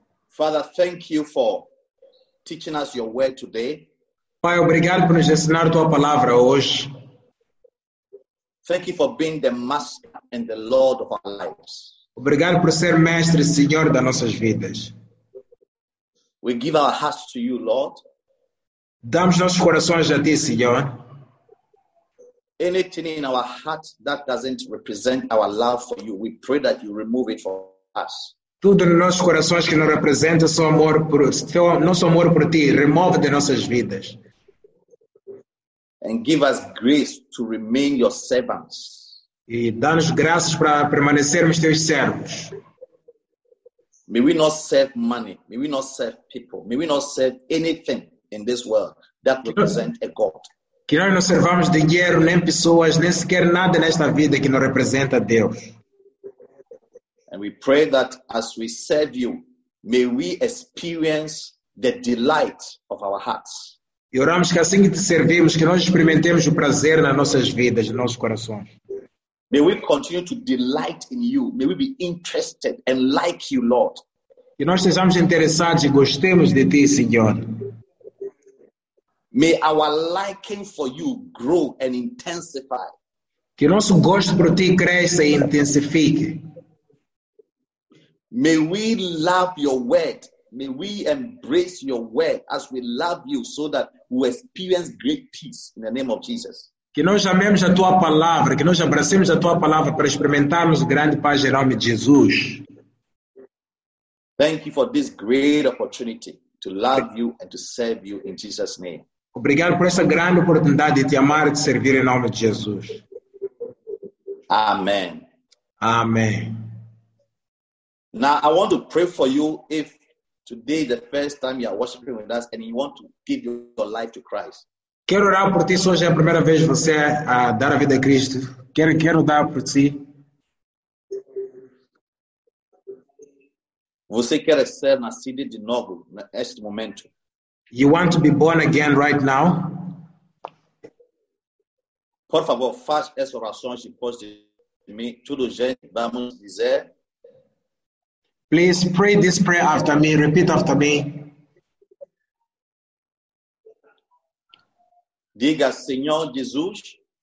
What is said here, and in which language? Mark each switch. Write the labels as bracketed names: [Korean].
[English] Father, thank you for teaching us your word today. [Portuguese] Pai, obrigado por nos ensinar tua palavra hoje. [English] Thank you for being the master and the Lord of our lives. [Portuguese] Obrigado por ser mestre e senhor das nossas vidas. [English] We give our hearts to you, Lord. [Portuguese] Damos nossos corações a ti, Senhor. [English] Anything in our heart that doesn't represent our love for you, we pray that you remove it from us. [Portuguese] Tudo nos nossos corações que não representa o nosso amor por ti, remove de nossas vidas. [English] And give us grace to remain your servants. [Portuguese] E dá-nos graças para permanecermos teus servos. [English] May we not serve money, may we not serve people, may we not serve anything in this world that represents a God. [Portuguese] Que nós não servamos dinheiro, nem pessoas, nem sequer nada nesta vida que não representa Deus. [English] And we pray that as we serve you, may we experience the delight of our hearts. [Portuguese] E oramos que assim que te servimos, que nós experimentemos o prazer nas nossas vidas, nos nossos corações. [English] May we continue to delight in you. May we be interested and like you, Lord. [Portuguese] Que nós sejamos interessados e gostemos de ti, Senhor. [English] May our liking for you grow and intensify. [Portuguese] Que nosso gosto por ti cresça e intensifique. [English] May we love your word. May we embrace your word as we love you so that we experience great peace in the name of Jesus. [Portuguese] Que nós amemos a tua palavra, que nós abracemos a tua palavra para experimentarmos grande paz em nome de Jesus. [English] Thank you for this great opportunity to love you and to serve you in Jesus' name. [Portuguese] Obrigado por essa grande oportunidade de te amar e de servir em nome de Jesus. Amém. Amém. [English] Now I want to pray for you if today is the first time you are worshiping with us and you want to give your life to Christ. [Portuguese] Quero orar por ti se hoje é a primeira vez você a dar a vida a Cristo. Quero dar por ti. Você quer ser nascido de novo neste momento? [English] You want to be born again right now? [Portuguese] Por favor, faça essa oração e depois de mim, tudo gente, vamos dizer. [English] Please pray this prayer after me. Repeat after me. [Portuguese] Diga, Senhor Jesus.